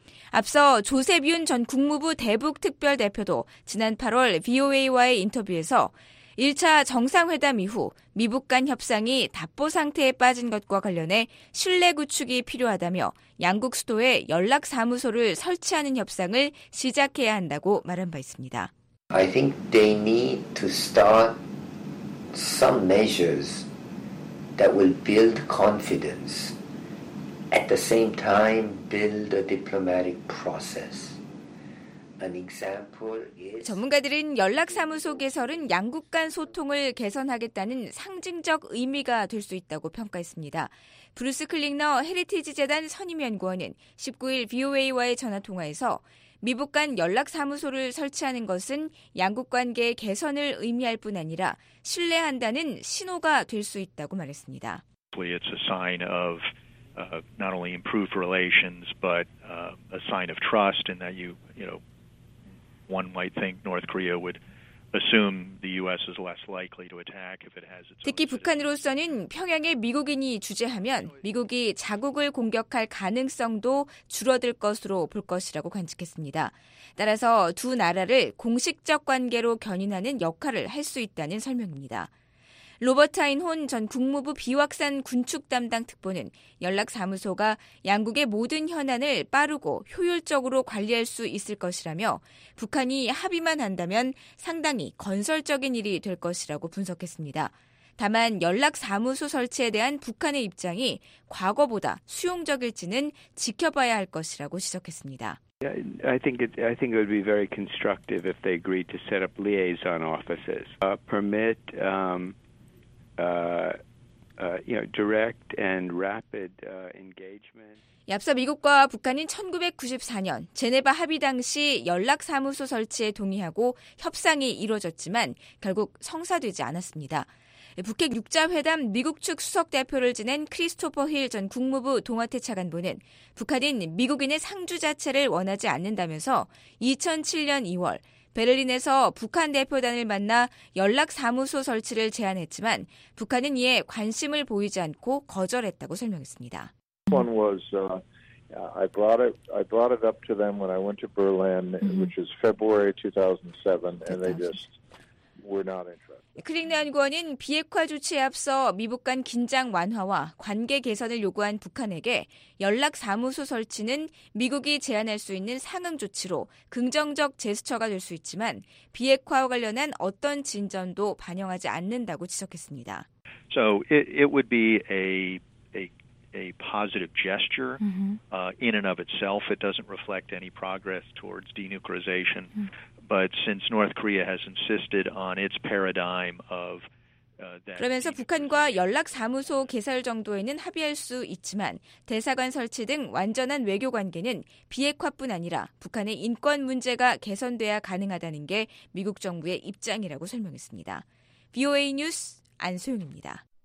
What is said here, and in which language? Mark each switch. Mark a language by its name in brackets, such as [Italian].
[Korean] 앞서 조셉 윤 전 국무부 대북특별대표도 지난 8월 VOA와의 인터뷰에서 1차 정상회담 이후 미북 간 협상이 답보 상태에 빠진 것과 관련해 신뢰 구축이 필요하다며 양국 수도에 연락사무소를 설치하는 협상을 시작해야 한다고 말한 바 있습니다. [English] I think they need to start some measures that will build confidence. At the same time, build a diplomatic process. An example is [Korean] 전문가들은 연락사무소 개설은 양국 간 소통을 개선하겠다는 상징적 의미가 될 수 있다고 평가했습니다. 브루스 클링너 헤리티지 재단 선임연구원은 19일 VOA와의 전화통화에서 미북 간 연락사무소를 설치하는 것은 양국 관계 개선을 의미할 뿐 아니라 신뢰한다는 신호가 될 수 있다고 말했습니다. [English] It's a sign of not only improved relations, but a sign of trust in that you know, one might think North Korea would assume the U.S. is less likely to attack if it has its. [Korean] 특히 북한으로서는 평양에 미국인이 주재하면 미국이 자국을 공격할 가능성도 줄어들 것으로 볼 것이라고 관측했습니다. 따라서 두 나라를 공식적 관계로 견인하는 역할을 할 수 있다는 설명입니다. 로버트 아인혼 전 국무부 비확산 군축 담당 특보는 연락사무소가 양국의 모든 현안을 빠르고 효율적으로 관리할 수 있을 것이라며 북한이 합의만 한다면 상당히 건설적인 일이 될 것이라고 분석했습니다. 다만 연락사무소 설치에 대한 북한의 입장이 과거보다 수용적일지는 지켜봐야 할 것이라고 지적했습니다. [English] I think it would be very constructive if they agreed to set up liaison offices. Direct and rapid engagement. [Korean] 앞서 미국과 북한은 1994년 제네바 합의 당시 연락사무소 설치에 동의하고 협상이 이루어졌지만 결국 성사되지 않았습니다. 북핵 6자회담 미국 측 수석대표를 지낸 크리스토퍼 힐 전 국무부 동아태 차관보는 북한은 미국인의 상주 자체를 원하지 않는다면서 2007년 2월 베를린에서 북한 대표단을 만나 연락사무소 설치를 제안했지만 북한은 이에 관심을 보이지 않고 거절했다고 설명했습니다. [English] One was I brought it up to them when I went to Berlin, which is February 2007, and they just were not interested. [Korean] 클링네 연구원은 비핵화 조치에 앞서 미북 간 긴장 완화와 관계 개선을 요구한 북한에게 연락사무소 설치는 미국이 제안할 수 있는 상응 조치로 긍정적 제스처가 될 수 있지만 비핵화와 관련한 어떤 진전도 반영하지 않는다고 지적했습니다. [English] So it would be a positive gesture in and of itself. It doesn't reflect any progress towards denuclearization. But since North Korea has insisted on its paradigm of [Korean] 그러면서 북한과 연락사무소 개설 정도에는 합의할 수 있지만 대사관 설치 등 완전한 외교관계는 비핵화뿐 아니라 북한의 인권 문제가 개선돼야 가능하다는 게 미국 정부의 입장이라고 설명했습니다. VOA 뉴스 안소영입니다.